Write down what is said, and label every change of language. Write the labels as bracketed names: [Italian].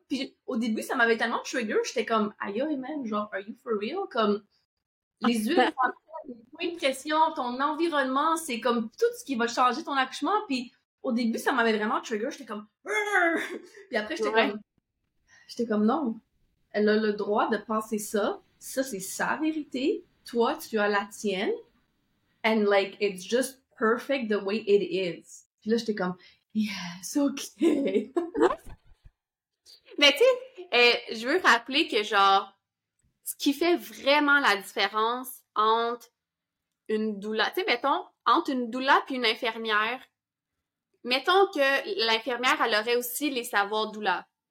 [French] Puis au début, ça m'avait tellement trigger. J'étais comme « Aïe, amen, genre, [English] are you for real? [French] » Comme, les huiles essentielles, les points de pression, ton environnement, c'est comme tout ce qui va changer ton accouchement. Puis au début, ça m'avait vraiment trigger. J'étais comme « Puis après, j'étais ouais. comme... J'étais comme « Non. » Elle a le droit de penser ça. Ça, c'est sa vérité. Toi, tu as la tienne. [English] And like, it's just perfect the way it is. [French] Puis là, j'étais comme, [English] yes, okay. [French] Mais tu sais, je veux rappeler que genre, ce qui fait vraiment la différence entre une doula, tu sais, mettons, entre une doula puis une infirmière, mettons que l'infirmière, elle aurait aussi les savoirs doula.